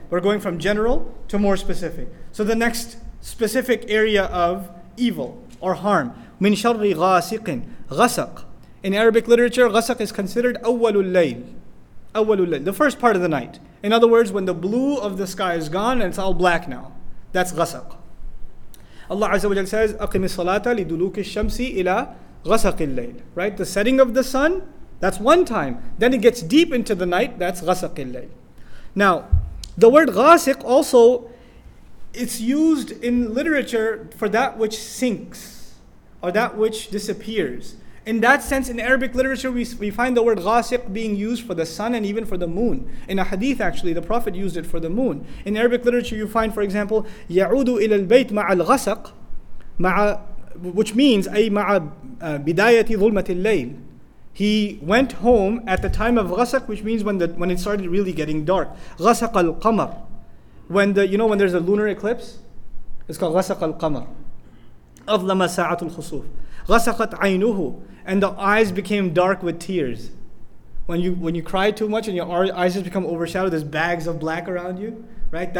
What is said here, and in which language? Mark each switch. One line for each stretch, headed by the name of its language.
English: We're going from general to more specific. So the next specific area of evil or harm.
Arabic: Min sharri ghasiqin.
English: Ghasaq. In Arabic literature, ghasaq is considered
Arabic: awwalul layl. Awwalul layl.
English: The first part of the night. In other words, when the blue of the sky is gone and it's all black now. That's ghasaq. Allah Azza wa Jalla says,
Arabic: أَقِمِ الصَّلَاةَ لِدُلُوكِ الشَّمْسِ إِلَى غَسَقِ اللَّيْلِ.
English: Right? The setting of the sun, that's one time. Then it gets deep into the night, that's
Arabic: غَسَقِ اللَّيْلِ.
English: Now, the word غَاسِق also, it's used in literature for that which sinks, or that which disappears. In that sense, in Arabic literature, we find the word غَاسِق being used for the sun and even for the moon. In a hadith, actually, the Prophet used it for the moon. In Arabic literature, you find, for example,
Arabic: يَعُودُ إِلَى الْبَيْتِ مَعَ الْغَسَقِ مَعَ,
English: which means,
Arabic: أي مَعَ بِدَايَةِ ظُلْمَةِ اللَّيْلِ.
English: He went home at the time of غَسَق, which means when it started really getting dark.
Arabic: غَسَق الْقَمَر.
English: When the, you know, when there's a lunar eclipse? It's called
Arabic: غَسَق الْقَمَر. أَظْلَمَ سَاعَةُ الْخُصُوفِ. غَسَقَتْ عَيْنُهُ.
English: And the eyes became dark with tears. When you cry too much and your eyes just become overshadowed, there's bags of black around you. Right?